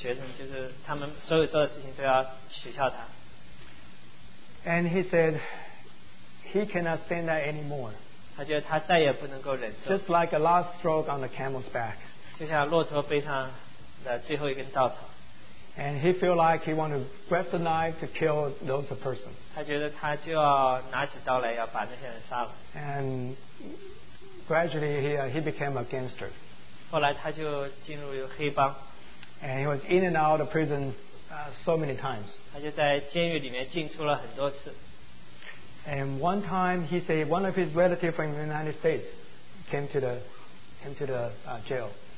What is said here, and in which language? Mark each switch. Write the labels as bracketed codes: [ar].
[zh] 班上就有些比较调皮的学生，就是他们所有做的事情都要取笑他。 [en] And he said he cannot stand that anymore. [zh] 他觉得他再也不能够忍受。 [en] Just like a last stroke on the camel's back. [zh] 就像骆驼背上的最后一根稻草。 [en] And he feel like he want to grab the knife to kill those persons. [zh] 他觉得他就要拿起刀来要把那些人杀了。 [en] And gradually he became a gangster. [zh] 后来他就进入黑帮。 [en] And he was in and out of prison so many times. [zh] 他就在监狱里面进出了很多次。 [en] And one time he said one of his relatives from the United States came to the jail.